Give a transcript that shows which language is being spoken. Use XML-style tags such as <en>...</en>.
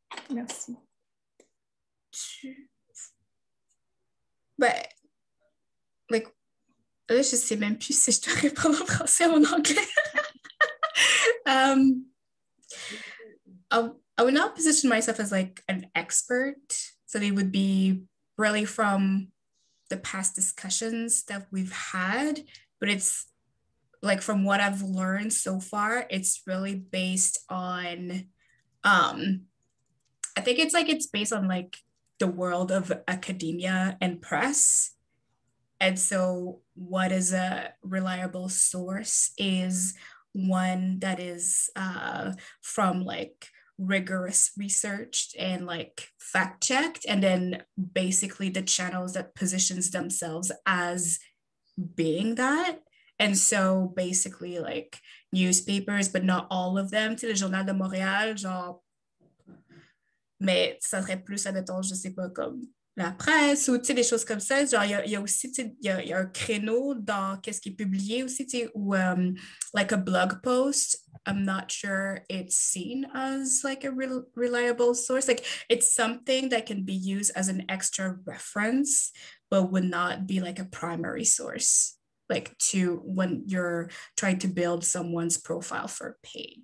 <fr>Merci. Là, je ne sais même plus si je dois répondre en français ou en anglais.</fr> <en>I would not position myself as like an expert. So they would be really from the past discussions that we've had. But it's like from what I've learned so far, it's really based on, I think it's based on like the world of academia and press. And so what is a reliable source is one that is from like rigorous research and like fact-checked, and then basically the channels that positions themselves as being that. And so basically like newspapers, but not all of them, to the</en> <fr>Journal de Montréal, genre, mais ça serait plus à mettons, je sais pas, comme la presse ou des choses comme ça. Genre, il y a aussi, il y a un créneau dans qu'est-ce qui est publié aussi, ou</fr> <en>like a blog post. I'm not sure it's seen as like a reliable source. Like, it's something that can be used as an extra reference, but would not be like a primary source, like to when you're trying to build someone's profile for a page.</en>